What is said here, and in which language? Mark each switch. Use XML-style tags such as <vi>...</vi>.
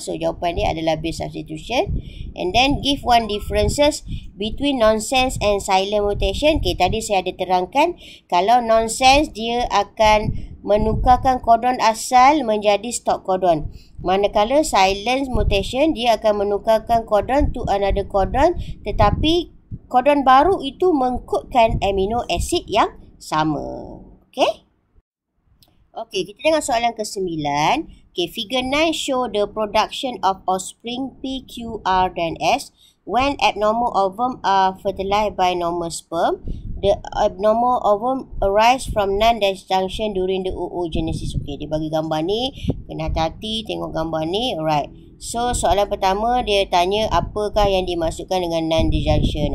<ms>So, jawapan dia adalah base substitution.</ms> <en>And then, give one differences between nonsense and silent mutation.</en> <ms>Okay, tadi saya ada terangkan. Kalau nonsense, dia akan menukarkan kodon asal menjadi stop kodon. Manakala silent mutation, dia akan menukarkan kodon to another kodon. Tetapi, kodon baru itu mengkodkan amino acid yang sama. Okay? Okay, kita tengok soalan ke-9.</ms> <en>Okay, figure 9 show the production of offspring P, Q, R dan S when abnormal ovum are fertilized by normal sperm. The abnormal ovum arise from non-disjunction during the oogenesis.</en> <ms>Okay, dia bagi gambar ni. Kena hati-hati tengok gambar ni. Alright. So, soalan pertama dia tanya apakah yang dimasukkan dengan non-disjunction.</ms>